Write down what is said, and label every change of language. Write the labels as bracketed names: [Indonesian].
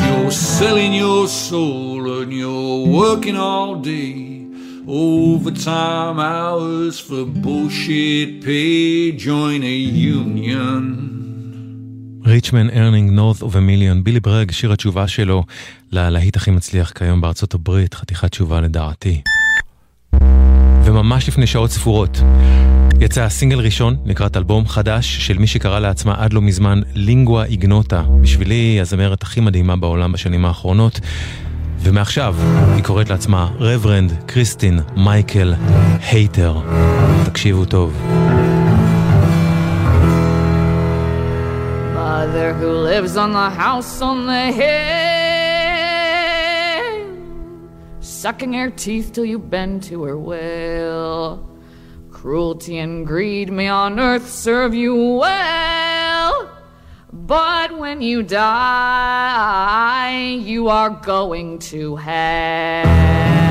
[English] Selling your soul and you're working all day, overtime hours for bullshit pay, join a union. Richman earning north of a million. [Hebrew] בילי ברג, שיר התשובה שלו ללהיט הכי מצליח כיום בארצות הברית, חתיכת תשובה לדעתי. וממש לפני שעות ספורות יצא הסינגל ראשון לקראת אלבום חדש של מי שקרא לעצמה עד לא מזמן לינגואה איגנוטה, בשבילי הזמרת הכי מדהימה בעולם בשנים האחרונות, ומעכשיו היא קוראת לעצמה רברנד קריסטין מייקל הייטר. תקשיבו טוב. [English] Mother who lives on the house on the hill, sucking her teeth till you bend to her will. Cruelty and greed may on earth serve you well, but when you die, you are going to hell.